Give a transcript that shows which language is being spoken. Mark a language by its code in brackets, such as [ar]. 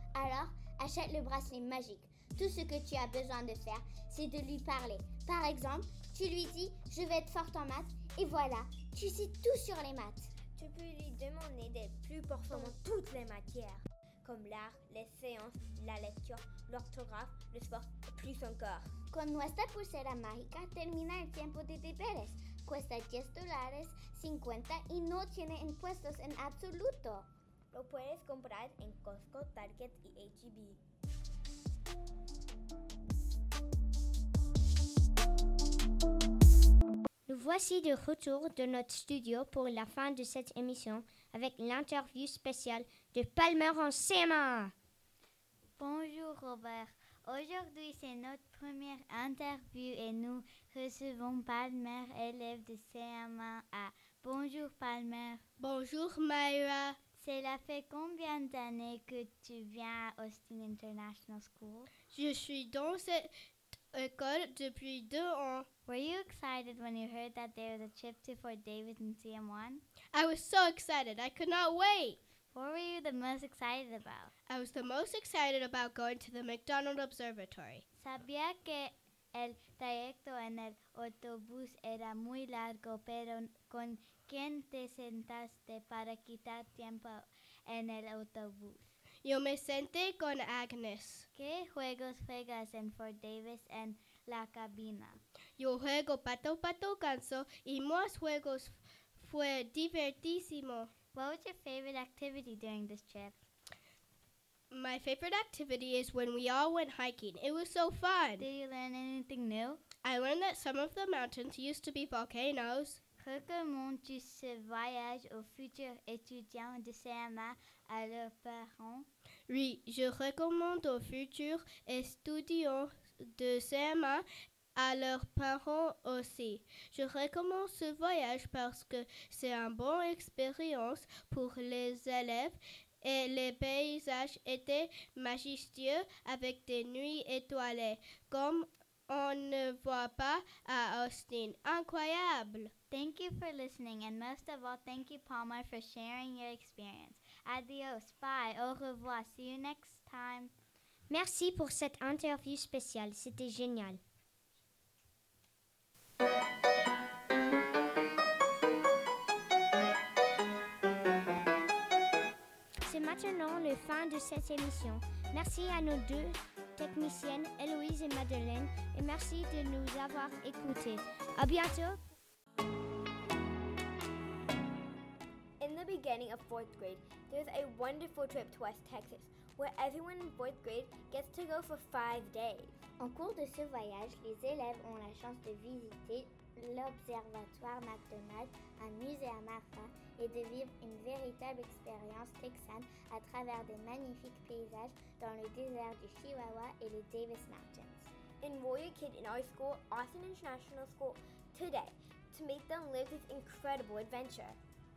[fr] Alors, achète le bracelet magique. Tout ce que tu as besoin de faire, c'est de lui parler. Par exemple, tu lui dis « Je vais être forte en maths » et voilà, tu sais tout sur les maths. Tu peux lui demander d'être plus performant dans toutes les matières, comme l'art, les séances, la lecture, l'orthographe, le sport et plus encore. [es] Con nuestra pulsera mágica termina el tiempo de deberes. Cuesta $10.50 y no tiene impuestos en absoluto. Lo puedes comprar en Costco, Target y HEB. [fr] Nous voici de retour de notre studio pour la fin de cette émission avec l'interview spéciale de Palmer en CMA. Bonjour Robert, aujourd'hui c'est notre première interview et nous recevons Palmer, élève de CM1A. Bonjour Palmer. Bonjour Maya. Cela fait combien d'années que tu viens à Austin International School? Je suis dans cette école depuis 2 ans. [en] Were you excited when you heard that there was a trip to Fort Davis in CM1? I was so excited. I could not wait. What were you the most excited about? I was the most excited about going to the McDonald Observatory. [es] Sabía que el trayecto en el autobús era muy largo, pero ¿con quién te sentaste para quitar tiempo en el autobús? Yo me senté con Agnes. ¿Qué juegos juegas en Fort Davis en la cabina? Yo juego pato pato canso y más juegos. Fue divertísimo. [en] What was your favorite activity during this trip? My favorite activity is when we all went hiking. It was so fun. Did you learn anything new? I learned that some of the mountains used to be volcanoes. [fr] Recommandes-tu ce voyage aux futurs étudiants de CMA à leurs parents? Oui, je recommande aux futurs étudiants de CMA à leurs parents aussi. Je recommande ce voyage parce que c'est une bonne expérience pour les élèves et les paysages étaient majestueux avec des nuits étoilées, comme on ne voit pas à Austin. Incroyable! [en] Thank you for listening, and most of all, thank you, Palmer, for sharing your experience. [es] Adios, [en] bye, [fr] au revoir, [en] see you next time. [fr] Merci pour cette interview spéciale, c'était génial. C'est maintenant la fin de cette émission. Merci à nos deux techniciennes, Héloïse et Madeleine, et merci de nous avoir écoutés. À bientôt! [en] In the beginning of fourth grade, there's a wonderful trip to West Texas, where everyone in fourth grade gets to go for 5 days. [fr] En cours de ce voyage, les élèves ont la chance de visiter l'Observatoire McDonald's, un musée à Marfa, et de vivre une véritable expérience texane à travers des magnifiques paysages dans le désert du Chihuahua et les Davis Mountains. [en] Enroll your kid in our school, Austin International School, today, to make them live this incredible adventure.